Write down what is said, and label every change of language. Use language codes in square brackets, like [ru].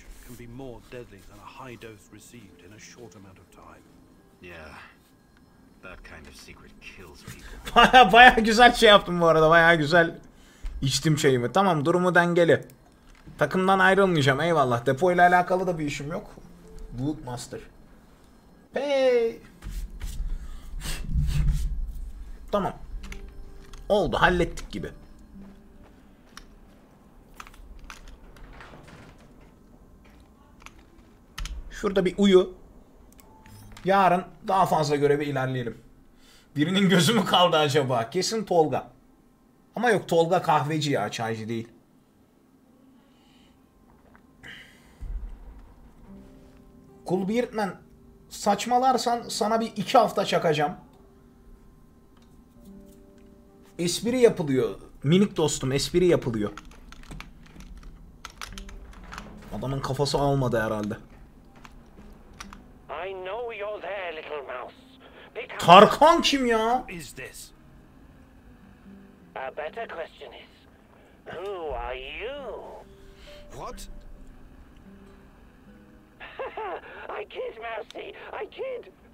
[en] Can be more deadly than a high dose received in a short amount of time. Yeah. That kind of secret kills people. [tr] Baya güzel şey yaptım bu arada. Baya güzel içtim çayımı. Tamam, durumu dengeli. Takımdan ayrılmayacağım. Eyvallah. Depoyla alakalı da bir işim yok. [en] Book Master. Hey. [tr] Tamam. Oldu, hallettik gibi. Şurada bir uyu. Yarın daha fazla göreve ilerleyelim. Birinin gözü mü kaldı acaba? Kesin Tolga. Ama yok, Tolga kahveci ya, çaycı değil. Cool Beard'den saçmalarsan sana bir iki hafta çakacağım. Espri yapılıyor. Minik dostum, espri yapılıyor. Adamın kafası almadı herhalde. [en] I know you're there, little mouse. [tr] Tarkan kim ya? [en] Is this? A better question is, who are you? What? I kid, Mousy. I kid.